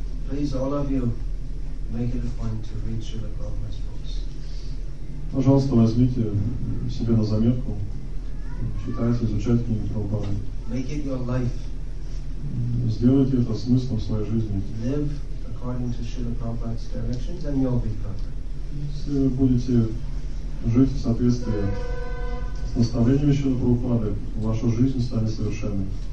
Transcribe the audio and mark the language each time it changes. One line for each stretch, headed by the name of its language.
English: Please, all of you, make it a point to read Srila Prabhupada's books.
Russian: Пожалуйста, возьмите себе на заметку читать, изучать книги Прабхупады.
English: Make it your life.
Russian: Сделайте это смыслом своей жизни.
English: Live according to Srila Prabhupada's directions, and you'll be perfect.
Russian: Если вы будете жить в соответствии с наставлениями Шрилы Прабхупады, ваша жизнь станет совершенной.